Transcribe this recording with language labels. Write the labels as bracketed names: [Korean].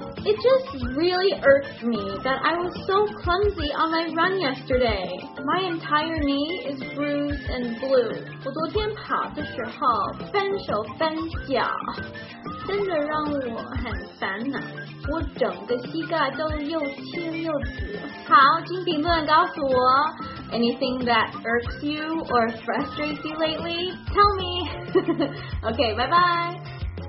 [English] It just really irked me that I was so clumsy on my run yesterday. My entire knee is bruised and blue. [Chinese] 我昨天跑的时候笨手笨脚，真的让我很烦恼。我整个膝盖都又青又紫。好，请评论告诉我 [English] anything that irks you or frustrates you lately? Tell me! Okay, bye bye!